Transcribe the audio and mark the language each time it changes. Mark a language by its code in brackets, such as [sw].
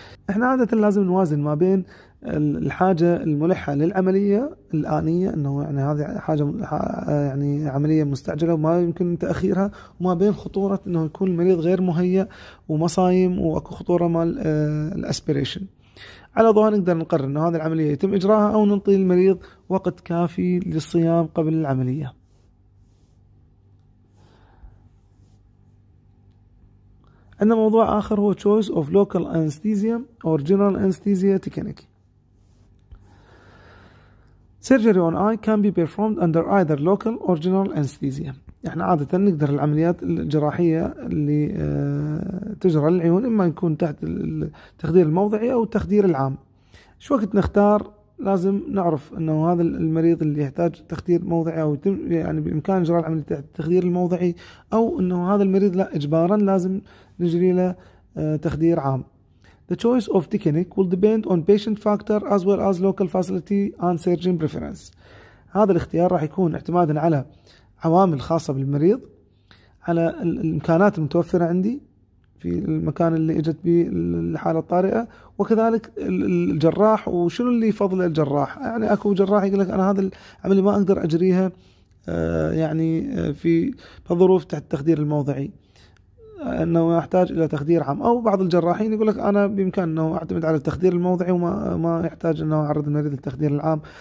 [ar] احنا عادة لازم نوازن ما بين الحاجة الملحة للعملية الآنية انه يعني هذه حاجة يعني عملية مستعجلة وما يمكن تأخيرها، وما بين خطورة انه يكون المريض غير مهيئ ومصايم واكو خطورة مال الاسبيريشن. على ضوء نقدر نقرر انه هذه العملية يتم إجراها او ننطي المريض وقت كافي للصيام قبل العملية. عندنا موضوع آخر هو [en] choice of local anesthesia or general anesthesia technique. Surgery on eye can be performed under either local or general anesthesia. [ar] احنا عادة نقدر العمليات الجراحية اللي تجرى للعيون اما يكون تحت التخدير الموضعي او التخدير العام. شو وقت نختار؟ لازم نعرف انه هذا المريض اللي يحتاج تخدير موضعي او يعني بامكان اجراء العملية التخدير الموضعي، او انه هذا المريض لا اجبارا لازم نجري له تخدير عام. [en] The choice of technique will depend on patient factor as well as local facility and surgeon preference. [ar] هذا الاختيار راح يكون اعتمادا على عوامل خاصة بالمريض، على الإمكانات المتوفرة عندي في المكان اللي اجت به الحالة الطارئة، وكذلك الجراح وشنو اللي يفضل الجراح. يعني اكو جراح يقول لك انا هذا العملية ما اقدر اجريها يعني في ظروف تحت التخدير الموضعي، انه يحتاج الى تخدير عام، او بعض الجراحين يقول لك انا بامكاني انه اعتمد على التخدير الموضعي وما يحتاج انه اعرض المريض للتخدير العام.